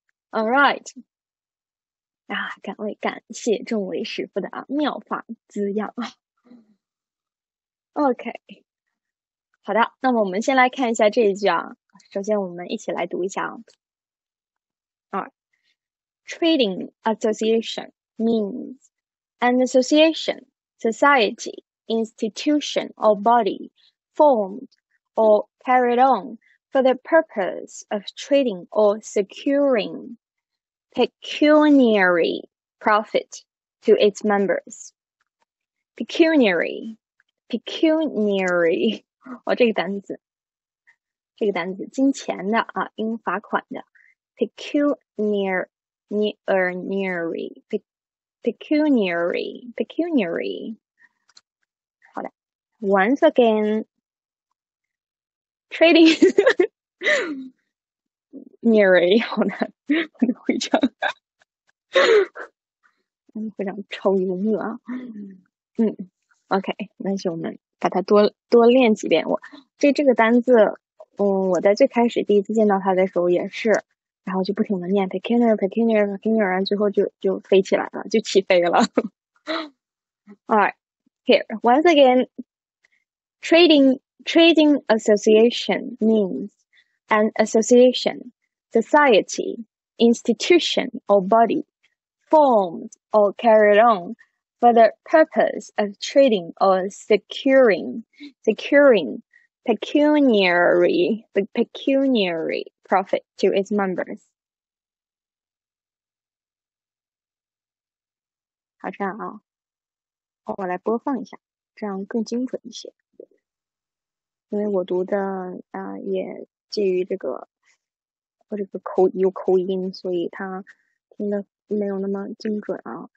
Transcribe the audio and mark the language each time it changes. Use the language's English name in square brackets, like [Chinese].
[Chinese] All right，感为感谢众位师傅的妙法滋养啊。 OK，好的，那么我们先来看一下这一句啊。首先，我们一起来读一下啊。 [English] Trading association means an association, society. Institution or body formed or carried on for the purpose of trading or securing pecuniary profit to its members. [Chinese] Pecuniary, pecuniary，哦，这个单词，金钱的啊，应罚款的，pecuniary, pecuniary, pecuniary。 [English] Once again, trading nearly [Chinese] 好难，会长，会长超幽默啊。 OK，那就我们把它多多练几遍。我这个单字，我在最开始第一次见到它的时候也是，然后就不停的念 pecuniary pecuniary pecuniary，最后就飞起来了，就起飞了。 [English] All right, here once again. Trading association means an association, society, institution or body formed or carried on for the purpose of trading or securing pecuniary profit to its members. [Chinese] 好，这样啊，我来播放一下，这样更精准一些。因为我读的也介于这个口音，所以他听的没有那么精准啊。